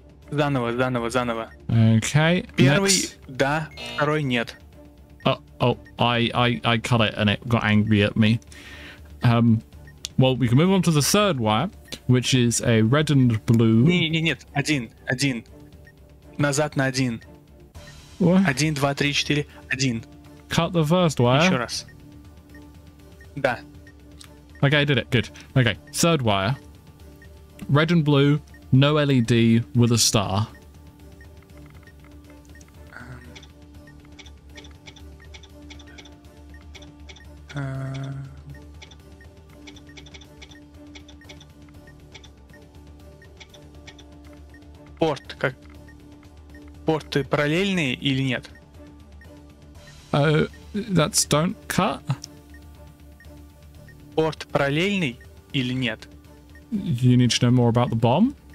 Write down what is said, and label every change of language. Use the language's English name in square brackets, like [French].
[Russian] Заново. [English] Okay. [Russian] Первый да, второй нет. [English] I cut it and it got angry at me. Well, we can move on to the third wire, which is a red and blue. [Russian] Нет, один. Назад на один. [English] What? [Russian] Один, два, три, четыре, один. [English] Cut the first wire. [Russian] Еще раз. Да. [English] Okay, I did it. Good. Okay, third wire. Red and blue. No LED with a star. [Russian] Порт, как порты параллельные или нет? [English] That's don't cut. [Russian] Порт параллельный или нет? [English] You need to know more about the bomb.